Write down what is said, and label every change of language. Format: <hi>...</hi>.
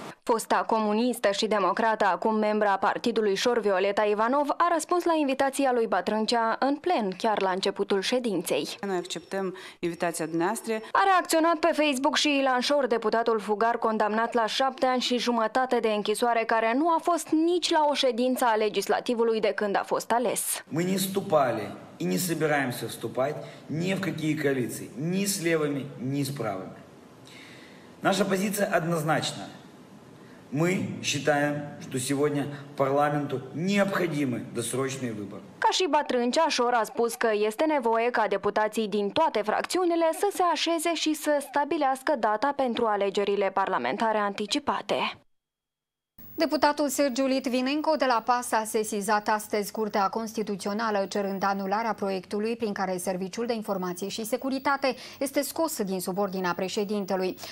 <ro>Fosta comunistă și democrată, acum membra partidului Șor, Violeta Ivanov, a răspuns la invitația lui Bătrâncea în plen, chiar la începutul ședinței. Noi acceptăm invitația dumneavoastră. A reacționat pe Facebook și Ilan Șor, deputatul Fugar, condamnat la 7 ani și jumătate de închisoare, care nu a fost nici la o ședință a legislativului de când a fost ales.</ro> <ru>Мы не вступали и не собираемся вступать ни в какие коалиции, ни с левыми, ни с правыми. Наша позиция однозначна. Мы считаем, что сегодня парламенту необходимы досрочные выборы.</ru> <ro>Ca și Bătrâncea, Șor a spus că este nevoie ca deputații din toate fracțiunile să se așeze și să stabilească data pentru alegerile parlamentare anticipate. Deputatul Sergiu Litvinenko de la PAS a sesizat astăzi Curtea Constituțională cerând anularea proiectului prin care Serviciul de Informații și Securitate este scos din subordinea președintelui.</ro>